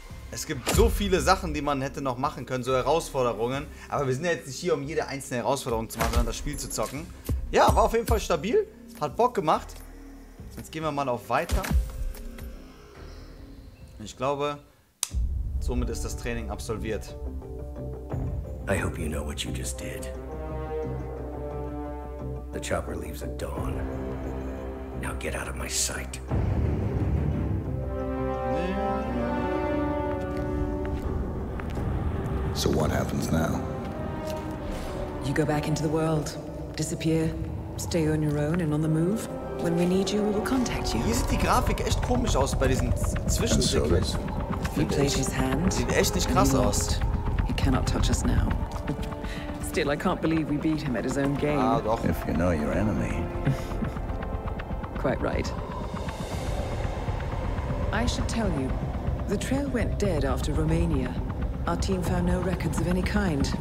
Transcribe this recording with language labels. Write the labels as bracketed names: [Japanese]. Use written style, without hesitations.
[German] Es gibt so viele Sachen, die man hätte noch machen können, so Herausforderungen. Aber wir sind ja jetzt nicht hier, um jede einzelne Herausforderung zu machen, sondern das Spiel zu zocken. Ja, war auf jeden Fall stabil. Hat Bock gemacht. Jetzt gehen wir mal auf Weiter. Ich glaube, somit ist das Training absolviert. [English] I hope you know what you just did. The chopper leaves at dawn. Now get out of my sight. So what happens now? You go back into the world, disappear, stay on your own and on the move. When we need you, we will contact you. [German] Hier sieht die Grafik echt komisch aus bei diesen Zwischensequenzen. [English] He played his hand. [German] Sieht echt nicht krass aus. [English] He cannot touch us now. Still, I can't believe we beat him at his own game. [German] Ah, doch. [English] If you know your enemy. Quite right. I should tell you, the trail went dead after Romania. Our team found no records of any kind.